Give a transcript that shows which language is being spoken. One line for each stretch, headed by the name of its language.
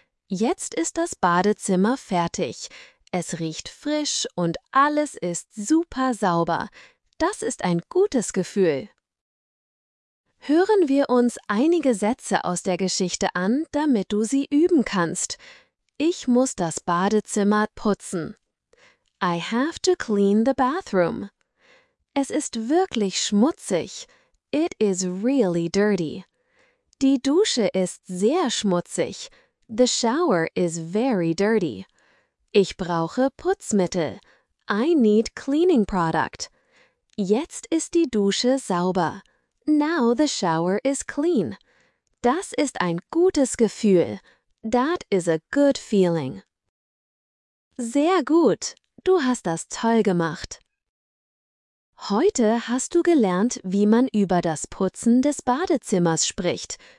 German: Jetzt ist das Badezimmer fertig. Es riecht frisch und alles ist super sauber. Das ist ein gutes Gefühl. Hören wir uns einige Sätze aus der Geschichte an, damit du sie üben kannst. Ich muss das Badezimmer putzen.
English: I have to clean the bathroom.
German: Es ist wirklich schmutzig.
English: It is really dirty.
German: Die Dusche ist sehr schmutzig.
English: The shower is very dirty.
German: Ich brauche Putzmittel.
English: I need cleaning product.
German: Jetzt ist die Dusche sauber.
English: Now the shower is clean.
German: Das ist ein gutes Gefühl.
English: That is a good feeling.
German: Sehr gut. Du hast das toll gemacht. Heute hast du gelernt, wie man über das Putzen des Badezimmers spricht.